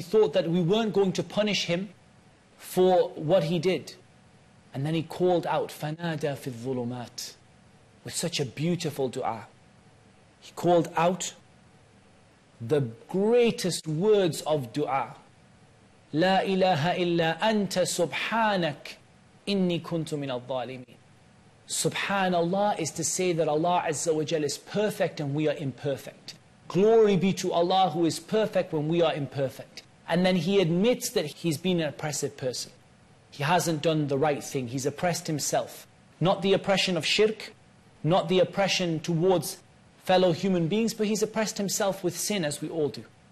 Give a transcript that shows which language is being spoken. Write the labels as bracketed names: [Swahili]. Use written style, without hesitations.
[English] He thought that we weren't going to punish him for what he did. And then he called out, [Arabic] فَنَادَى فِي الظُّلُمَاتِ, [English] with such a beautiful dua. He called out the greatest words of dua. [Arabic] لا إله إلا أنت سبحانك إني كنت من الظالمين. [English] Subhanallah is to say that Allah Azza wa Jal is perfect and we are imperfect. Glory be to Allah who is perfect when we are imperfect. And then he admits that he's been an oppressive person. He hasn't done the right thing. He's oppressed himself. Not the oppression of shirk, not the oppression towards fellow human beings, but he's oppressed himself with sin, as we all do.